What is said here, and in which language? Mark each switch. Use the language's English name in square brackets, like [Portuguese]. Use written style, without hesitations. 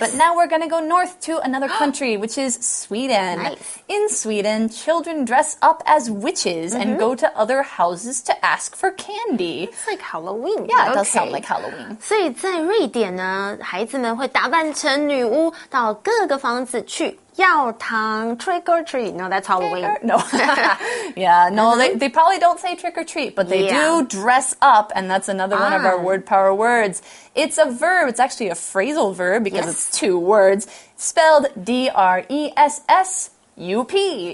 [English] But now we're going to go north to another country, which is Sweden. Nice. In Sweden, children dress up as witches、mm-hmm. and go to other houses to ask for candy. It's like Halloween. Yeah, it、 okay. does sound like Halloween. [Chinese] 所以在瑞典呢，孩子们会打扮成女巫，到各个房子去。 [English] Yao Tang, trick or treat. No, that's Halloween. No. yeah, no, they probably don't say trick or treat, but they、 yeah. do dress up, and that's another、one of our word power words. It's a verb. It's actually a phrasal verb because、 yes. it's two words, spelled D-R-E-S-S-U-P.